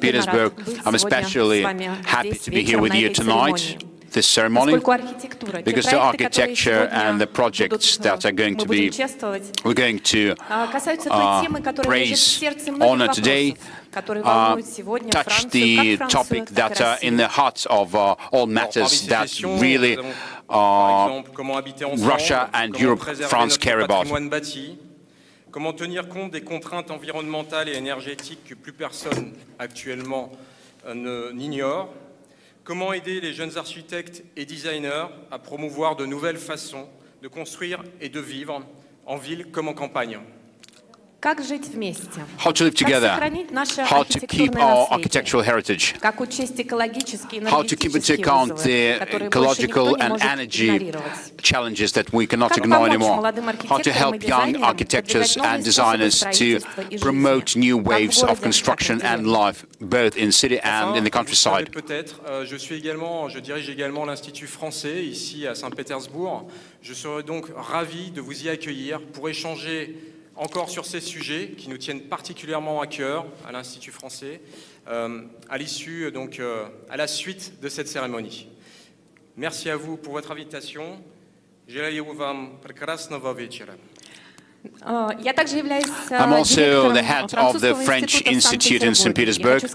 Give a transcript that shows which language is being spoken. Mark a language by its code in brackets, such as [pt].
[en] Petersburg, I'm especially happy to be here with you tonight, this ceremony, because the architecture and the projects that are going to be, we're going to praise, honor today, touch the topic that are in the heart of all matters that really Russia and Europe, France care about. [fr] Comment tenir compte des contraintes environnementales et énergétiques que plus personne actuellement n'ignore? Comment aider les jeunes architectes et designers à promouvoir de nouvelles façons de construire et de vivre en ville comme en campagne? [ru] Как жить вместе? [en] How to live together? How to keep our architectural heritage? [ru] Как учесть экологические и энергетические вызовы, которые больше никто не может игнорировать? [en] Ecological and energy challenges that we cannot ignore anymore? How to help young architects and designers to promote new waves of construction and life, both in city and in the countryside? [fr] Peut-être, je suis également, je dirige également l'Institut français ici à Saint-Pétersbourg. Je serai donc ravi de vous y accueillir pour échanger encore sur ces sujets qui nous tiennent particulièrement à cœur à l'Institut français, à l'issue, donc à la suite de cette cérémonie. Merci à vous pour votre invitation. [ru] Желаю вам прекрасного вечера. [en] I'm also the head of the French Institute in St. Petersburg.